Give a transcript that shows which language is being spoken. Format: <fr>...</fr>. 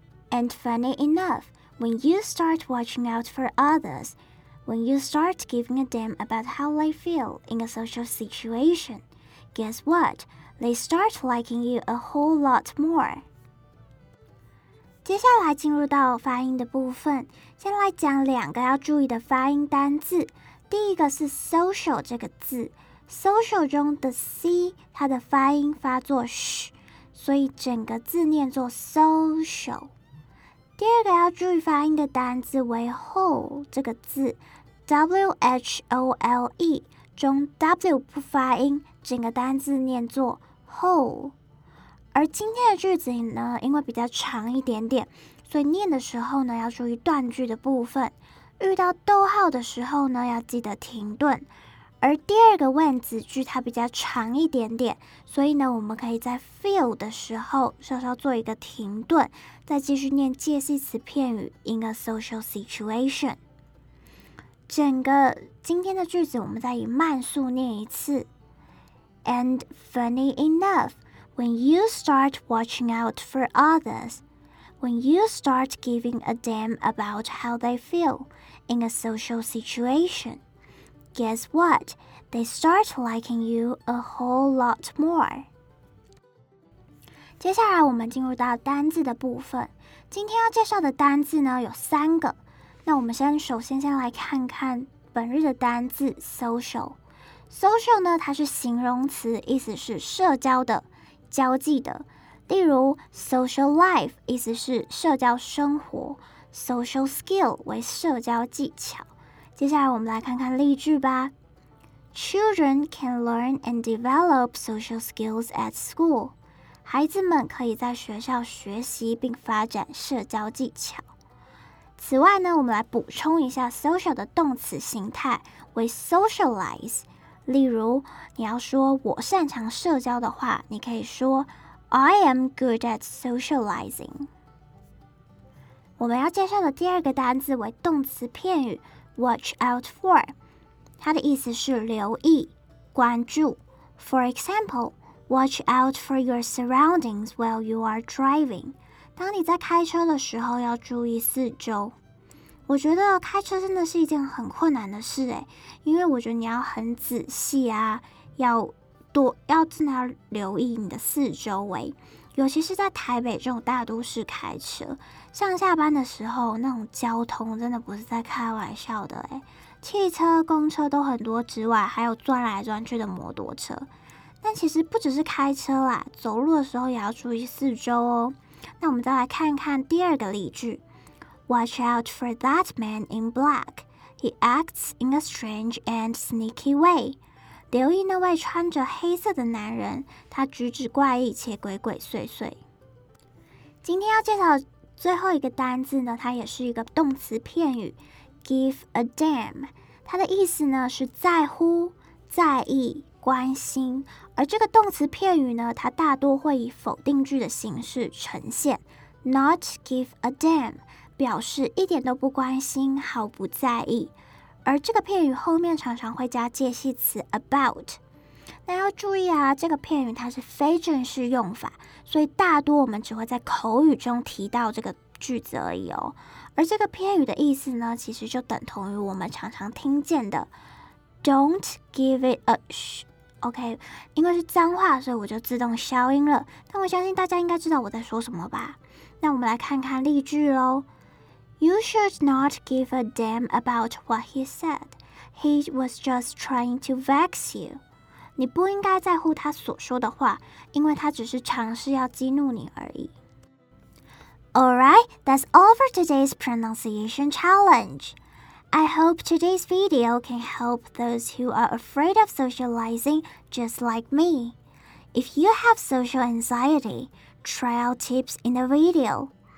<en>And funny enough, when you start watching out for others, when you start giving a damn about how they feel in a social situation, guess what? They start liking you a whole lot more.</en> <zh>接下来进入到发音的部分，先来讲两个要注意的发音单字。第一个是 social 这个字。Social 中的 C 它的发音发作 sh， 所以整个字念作 social。第二个要注意发音的单字为 whole 这个字， whole 中 w 不发音，整个单字念作 whole。而今天的句子呢，因为比较长一点点，所以念的时候呢要注意断句的部分，遇到逗号的时候呢要记得停顿。而第二个问子句它比较长一点点，所以呢我们可以在 feel 的时候稍稍做一个停顿，再继续念介系词片语</zh> <en>in a social situation。</en> <zh>整个今天的句子我们再以慢速念一次。</zh> <en>And funny enough, when you start watching out for others, when you start giving a damn about how they feel in a social situationGuess what? They start liking you a whole lot more.</en> <zh>接下来我们进入到单字的部分。今天要介绍的单字呢有三个。那我们首先来看看本日的单字 social。 social 呢它是形容词，意思是社交的、交际的。例如 social life 意思是社交生活， social skill 为社交技巧。接下来我们来看看例句吧。</zh> <en>Children can learn and develop social skills at school.</en> <zh>孩子们可以在学校学习并发展社交技巧。此外呢，我们来补充一下 social 的动词形态为 socialize。例如你要说我擅长社交的话，你可以说</zh> <en>I am good at socializing。</en> <zh>我们要介绍的第二个单字为动词片语Watch out for， 它的意思是留意、关注。</zh> <en>For example, watch out for your surroundings while you are driving。</en> <zh>当你在开车的时候，要注意四周。我觉得开车真的是一件很困难的事，因为我觉得你要很仔细啊，要真的要留意你的四周围。尤其是在台北这种大都市开车，上下班的时候那种交通真的不是在开玩笑的，汽车、公车都很多之外，还有钻来钻去的摩托车。但其实不只是开车啦，走路的时候也要注意四周哦。那我们再来看看第二个例句。</zh> <en>Watch out for that man in black. He acts in a strange and sneaky way.</en> <zh>留意那位穿着黑色的男人，他举止怪异且鬼鬼祟祟。今天要介绍最后一个单字呢，它也是一个动词片语 ，give a damn， 它的意思呢是在乎、在意、关心。而这个动词片语呢，它大多会以否定句的形式呈现 ，not give a damn， 表示一点都不关心，毫不在意。而这个片语后面常常会加介系词 about， 那要注意啊，这个片语它是非正式用法，所以大多我们只会在口语中提到这个句子而已哦。而这个片语的意思呢，其实就等同于我们常常听见的</zh> <en>Don't give it a sh.</en> <zh>OK， 因为是脏话，所以我就自动消音了。但我相信大家应该知道我在说什么吧？那我们来看看例句咯。</zh> <en>You should not give a damn about what he said. He was just trying to vex you.</en> <zh>你不应该在乎他所说的话，因为他只是尝试要激怒你而已。</zh> <en>Alright, that's all for today's pronunciation challenge. I hope today's video can help those who are afraid of socializing just like me. If you have social anxiety, try out tips in the video.</en>